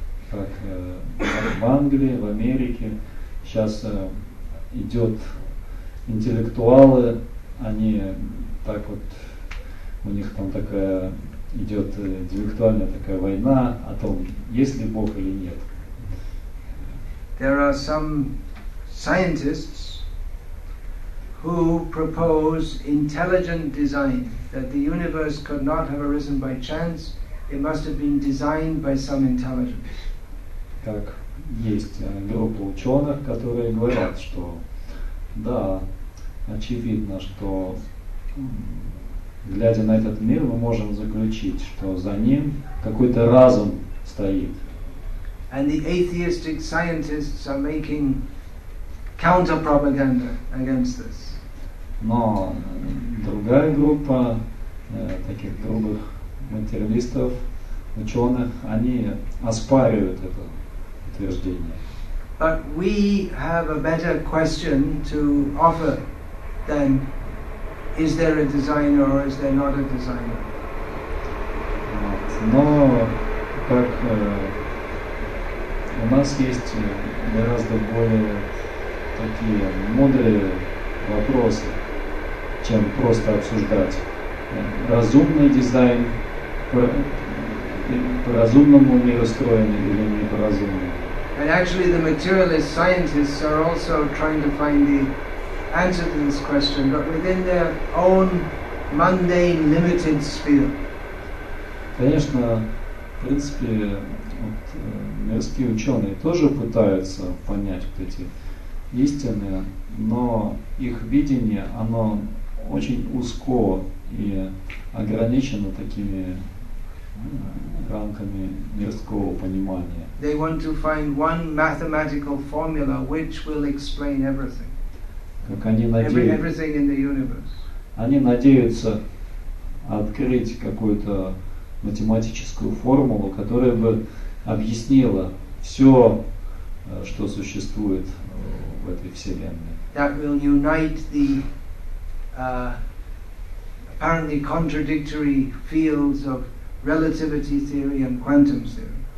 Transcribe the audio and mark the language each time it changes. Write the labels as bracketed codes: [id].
[ru] Как в Англии, в Америке сейчас идет интеллектуалы, они так вот, у них там такая идет интеллектуальная такая война о том, есть ли Бог или нет. [en] There are some scientists who propose intelligent design, that the universe could not have arisen by chance, it must have been designed by some intelligence. [ru] Как есть группа ученых, которые говорят, что да, очевидно, что глядя на этот мир, мы можем заключить, что за ним какой-то разум стоит. [en] And the atheistic scientists are making counter-propaganda against this. [ru] Но другая группа таких грубых материалистов, ученых, они оспаривают это утверждение. [en] But we have a better question to offer than is there a designer or is there not a designer? [ru] Но как у нас есть гораздо более такие мудрые вопросы, чем просто обсуждать разумный дизайн, по-разумному ли устроен или не по-разумному. [en] And actually the materialist scientists are also trying to find the answer to this question, but within their own mundane, limited sphere. [ru] Конечно, в принципе, мирские ученые тоже пытаются понять вот эти истины, но их видение, оно очень узко и ограничено такими рамками мирского понимания. [en] They want to find one mathematical formula which will explain everything. [ru] Как они надеются. [en] Everything in the universe. [ru] Они надеются открыть какую-то математическую формулу, которая бы объяснила все, что существует в этой вселенной. [en] That will unite the apparently contradictory fields of relativity theory and quantum theory.